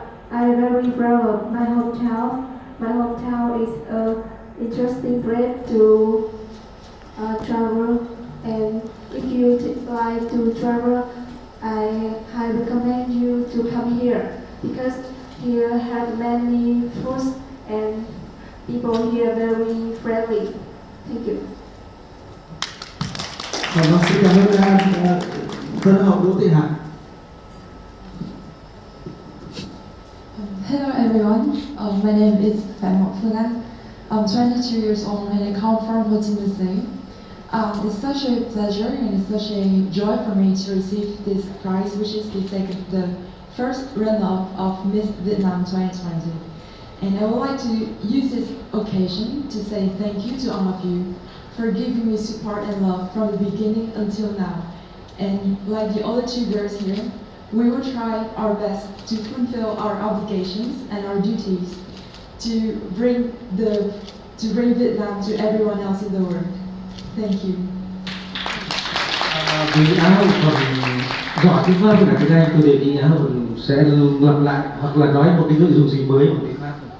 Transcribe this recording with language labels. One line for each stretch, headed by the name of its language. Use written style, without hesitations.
English: I am very proud of my hometown. My hometown is a interesting place to travel. And if you like to travel, I highly recommend you to come here because here have many foods and people here very friendly. Thank you.
Vietnamese: Và bác sĩ cảm ơn Tân Hậu Đỗ Thị Hạ.
English: Hello everyone, my name is Phan Ngọc Phương Anh. I'm 22 years old and I come from Ho Chi Minh City. It's such a pleasure and it's such a joy for me to receive this prize, which is the second, the first runoff of Miss Vietnam 2020. And I would like to use this occasion to say thank you to all of you for giving me support and love from the beginning until now. And like the other two girls here, we will try our best to fulfill our obligations and our duties to bring the Vietnam to everyone else in the world. Thank you.
Vietnamese: Vì Á Hậu còn giỏi tiếng Pháp và tiếng Anh, tôi đề nghị Á Hậu sẽ lặp lại hoặc là nói một cái nội dung gì mới bằng tiếng Pháp.